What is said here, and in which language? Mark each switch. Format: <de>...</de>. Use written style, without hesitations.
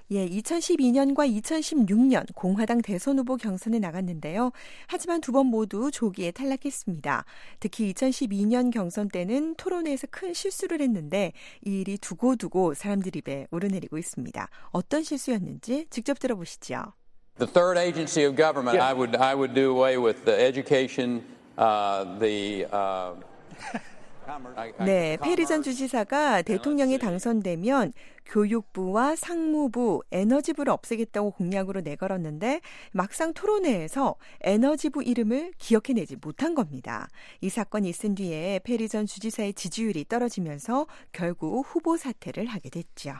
<ko>예, 2012년과 2016년 공화당 대선 후보 경선에 나갔는데요. 하지만 두 번 모두 조기에 탈락했습니다. 특히 2012년 경선 때는 토론회에서 큰 실수를 했는데 이 일이 두고두고 사람들 입에 오르내리고 있습니다. 어떤 실수였는지 직접 들어보시죠.</ko> <en>The third agency of government, yeah. I would do away with the education, commerce.</en> <ko>네, 페리 전 주지사가 대통령이 당선되면 교육부와 상무부, 에너지부를 없애겠다고 공약으로 내걸었는데 막상 토론회에서 에너지부 이름을 기억해내지 못한 겁니다. 이 사건이 있은 뒤에 페리 전 주지사의 지지율이 떨어지면서 결국 후보 사퇴를 하게 됐죠.</ko>